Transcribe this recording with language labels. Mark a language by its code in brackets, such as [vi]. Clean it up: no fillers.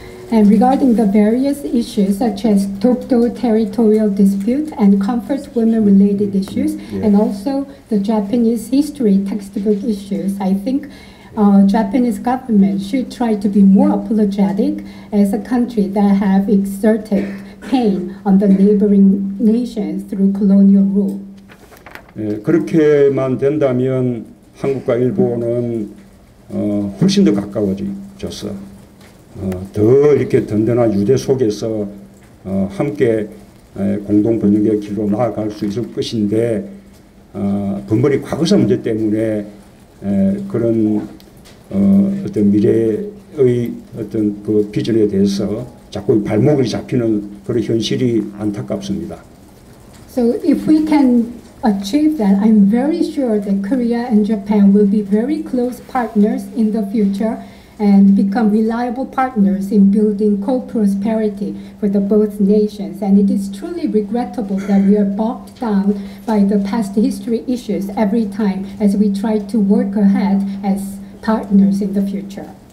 [en] And regarding the various issues such as Tokyo territorial dispute and comfort women related issues, and also the Japanese history textbook issues, I think Japanese government should try to be more apologetic as a country that have exerted pain on the neighboring nations through colonial rule. [ko] 그렇게만 된다면 한국과 일본은 훨씬 더 가까워져서 더 이렇게 든든한 유대 속에서 함께 공동 번영의 길로 나아갈 수 있을 것인데 번번이 과거사 문제 때문에 그런 어떤 미래의 어떤 그 비전에 대해서 자꾸 발목이 잡히는 그런 현실이 안타깝습니다. [en] So if we can achieve that, I'm very sure that Korea and Japan will be very close partners in the future and become reliable partners in building co-prosperity for the both nations. And it is truly regrettable that we are bogged down by the past history issues every time as we try to work ahead as partners in the future.